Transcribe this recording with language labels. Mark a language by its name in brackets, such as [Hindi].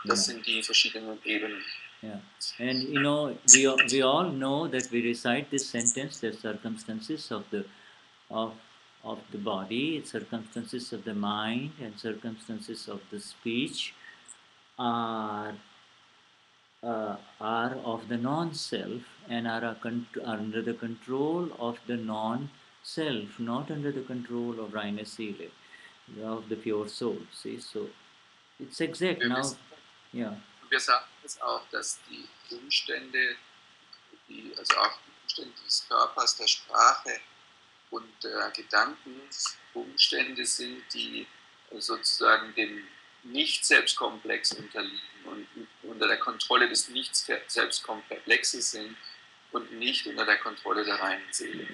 [German] Das sind die verschiedenen Ebenen. [English] Yeah. And you know, we all know that we recite this sentence, the circumstances of the body, circumstances of the mind, and circumstances of the speech are of the non-self and are under the control of the non-self, not under the control of Raina Sile, of the pure soul. See, so it's exact now. Yeah. [German] Wir sagen es auch, dass die Umstände des Körpers, der Sprache und Gedanken, Umstände sind, die sozusagen dem Nicht-Selbstkomplex unterliegen und unter der Kontrolle des Nicht-Selbstkomplexes sind und nicht unter der Kontrolle der reinen Seele.